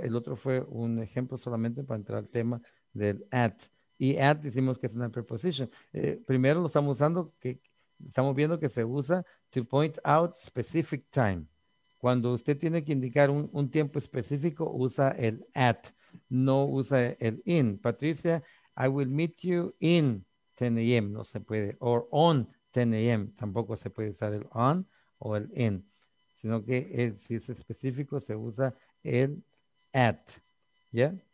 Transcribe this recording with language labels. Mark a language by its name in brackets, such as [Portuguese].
[Spanish] El otro fue un ejemplo solamente para entrar al tema del at. Y at decimos que es una preposition. Primero lo estamos usando, estamos viendo que se usa [English] to point out specific time. [Spanish] Cuando usted tiene que indicar un tiempo específico, usa el at. No usa el in. [English] Patricia, I will meet you in 10 a.m. [Spanish] No se puede. [English] Or on 10 a.m. [Spanish] Tampoco se puede usar el on. O el in, sino que si es específico, se usa el at, ¿ya?